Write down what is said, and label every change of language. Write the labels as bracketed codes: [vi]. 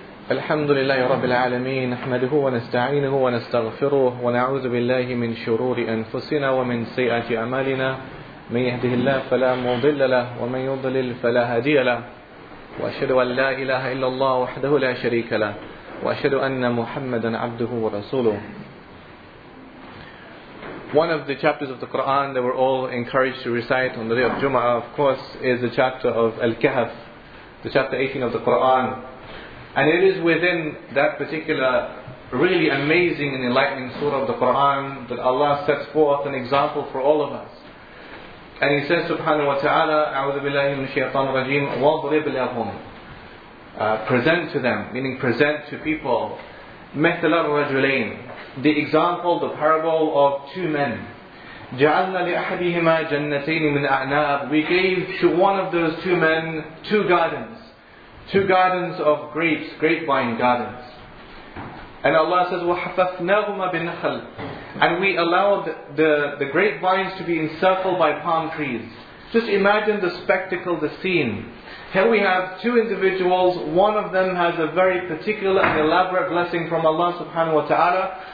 [ar] الحمد لله رب العالمين نحمده ونستعينه ونستغفره ونعوذ بالله من شرور أنفسنا ومن سيئات أعمالنا من يهده الله فلا مضل له ومن يضلل فلا هادي له وأشهد أن لا إله إلا الله وحده لا شريك له وأشهد أن محمدا عبده ورسوله. [en] One of the chapters of the Quran that we're all encouraged to recite on the day of Jum'ah, of course, is the chapter of Al-Kahf, the chapter 18 of the Quran. And it is within that particular really amazing and enlightening surah of the Quran that Allah sets forth an example for all of us. And He says, Subhanahu wa ta'ala, [ar] A'udhu billahi min shaytan rajeem, wadrib lahum. [en] Present to them, meaning present to people, [ar] مثل الرجلين, [en] the example, the parable of two men. [ar] جعلنا لأحدهما جنتين من أعناب. [en] We gave to one of those two men two gardens. Two gardens of grapes, grapevine gardens. And Allah says, [ar] وَحَفَفْنَاهُمَا بِالنَّخَلِ. [en] And we allowed the grapevines to be encircled by palm trees. Just imagine the spectacle, the scene. Here we have two individuals, one of them has a very particular and elaborate blessing from Allah subhanahu wa ta'ala.